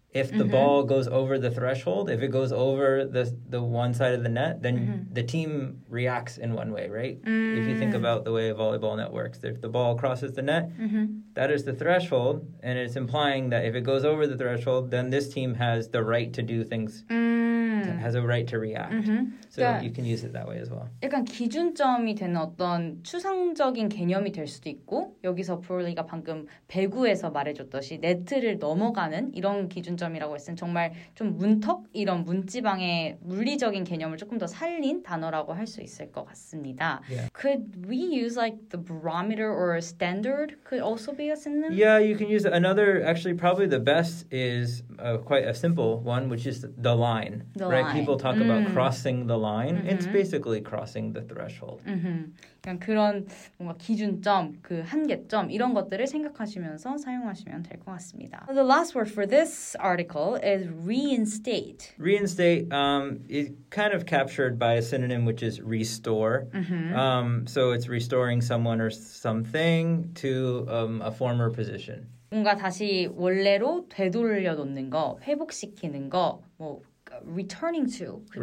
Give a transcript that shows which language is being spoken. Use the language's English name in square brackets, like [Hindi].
[English] If the ball goes over the threshold, if it goes over the one side of the net, then the team reacts in one way, right? If you think about the way a volleyball net works, if the ball crosses the net, that is the threshold, and it's implying that if it goes over the threshold, then this team has the right to do things, has a right to react. So you can use it that way as well. [Korean] 약간 기준점이 되는 어떤 추상적인 개념이 될 수도 있고, 여기서 브롤리가 방금 배구에서 말해줬듯이 네트를 넘어가는 이런 기준 점이라고 했을 땐 정말 좀 문턱 이런 문지방의 물리적인 개념을 조금 더 살린 단어라고 할 수 있을 것 같습니다. [English] Yeah. Could we use like the barometer or a standard? Could also be a synonym? Yeah, you can use another. Actually, probably the best is quite a simple one, which is the line. The right? line. People talk about crossing the line. It's basically crossing the threshold. [Korean] 그냥 그런 뭔가 기준점, 그 한계점 이런 것들을 생각하시면서 사용하시면 될 것 같습니다. [English] The last word for this article is reinstate. Reinstate is kind of captured by a synonym, which is restore. So it's restoring someone or something to a former position. [Korean] 뭔가 다시 원래로 되돌려 놓는 거, 회복시키는 거, 뭐 [English] returning to could